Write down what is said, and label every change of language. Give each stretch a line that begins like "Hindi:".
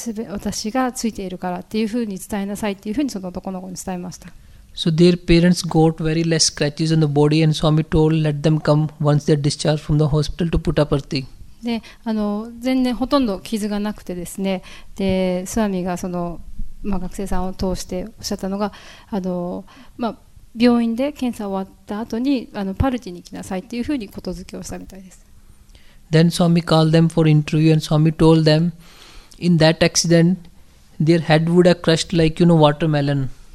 Japanese: 私がついているからっていうふうに伝えなさいっていうふうにその男の子に伝えました。
English: So their parents got very less scratches on the body, and Swami told let them come once they're discharged from the hospital to Puttaparthi.
Japanese: で、全然ほとんど傷がなくてですね、で、スワミがその、まあ、学生さんを通しておっしゃったのが、まあ、病院で検査終わった後にパルティに来なさいというふうにことづけをしたみたいです。
English: Then Swami called them for interview and Swami told them, in that accident, their head would have crushed like, you know, watermelon.